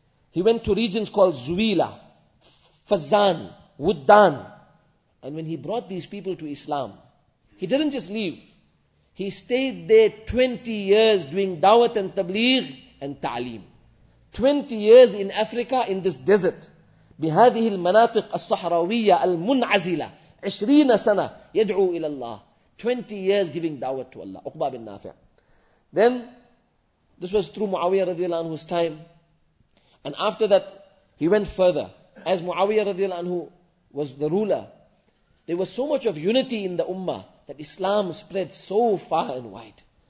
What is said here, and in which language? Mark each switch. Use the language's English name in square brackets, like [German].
[English] He went to regions called Zuwila, Fazan, Wuddan. And when he brought these people to Islam, he didn't just leave. He stayed there 20 years doing dawat and tabligh and ta'aleem. 20 years in Africa in this desert. [Arabic] بهذه المناطق الصحراوية المنعزلة 20 سنة يدعو إلى الله. [English] 20 years giving dawat to Allah. Uqba bin Nafi'. Then, this was through Muawiyah radiallahu anhu's time. And after that, he went further. As Muawiyah radiallahu anhu was the ruler, there was so much of unity in the ummah that Islam spread so far and wide.